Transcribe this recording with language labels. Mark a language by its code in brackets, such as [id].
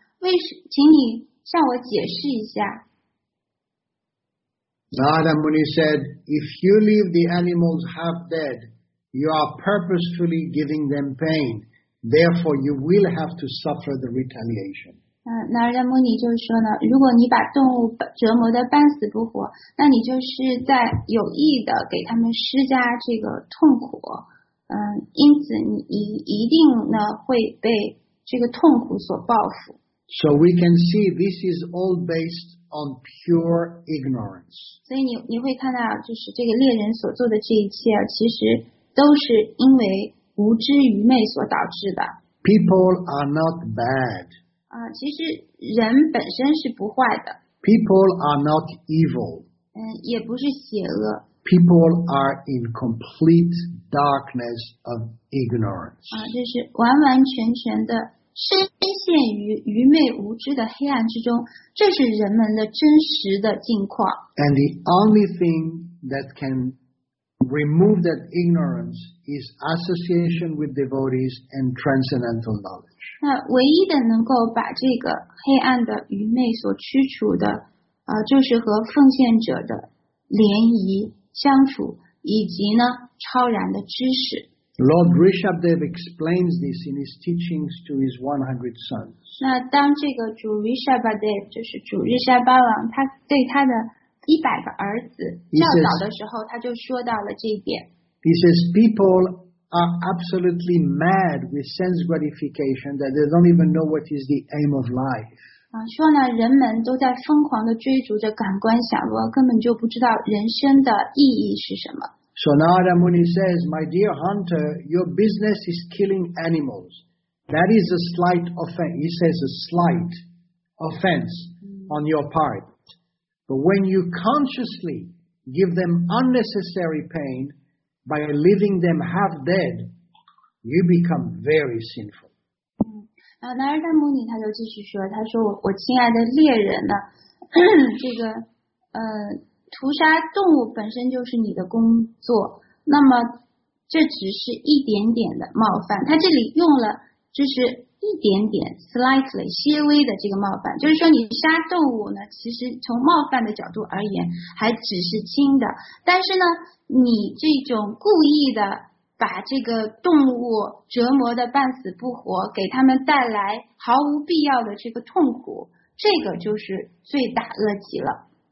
[zh] 为什么？请你向我解释一下。” [en] Narada Muni said, "If you leave the animals half dead, you are purposefully giving them pain." Therefore, you will have to suffer the retaliation. [zh] 那拉摩尼就是说呢，如果你把动物折磨得半死不活，那你就是在有意的给他们施加这个痛苦。因此你一定呢会被这个痛苦所报复。 [en] So we can see this is all based on pure ignorance. [zh] 所以你会看到，就是这个猎人所做的这一切，其实都是因为。无知愚昧所导致的。 [en] People are not bad. [zh] 其实人本身是不坏的。 [en] People are not evil. [zh] 也不是邪恶。 [en] People are in complete darkness of ignorance. [zh] 就是完完全全的深陷于愚昧无知的黑暗之中，这是人们的真实的境况。 [en] And the only thing that can remove that ignorance is association with devotees and transcendental knowledge. [zh] 那唯一的能够把这个黑暗的愚昧所驱除的，就是和奉献者的联谊相处，以及呢超然的知识。 [en] Lord Rishabdev explains this in his teachings to his 100 sons. [zh] 那当这个主 Rishabdev 就是主日沙巴王，他对他的一百个儿子教导的时候，他就说到了这一点。 [en] He says people are absolutely mad with sense gratification that they don't even know what is the aim of life. [zh] 说呢，人们都在疯狂的追逐着感官享乐，根本就不知道人生的意义是什么。 [en] So Narada Muni says, my dear hunter, your business is killing animals. That is a slight offense. He says a slight offense on your part. But when you consciously give them unnecessary pain by leaving them half dead, you become very sinful. [zh] 那尔达摩尼他就继续说，他说我亲爱的猎人呢，这个屠杀动物本身就是你的工作，那么这只是一点点的冒犯。他这里用了就是。一点点 slightly 稍微的这个冒犯，就是说你杀动物呢，其实从冒犯的角度而言还只是轻的，但是呢你这种故意的把这个动物折磨的半死不活，给他们带来毫无必要的这个痛苦，这个就是罪大恶极了。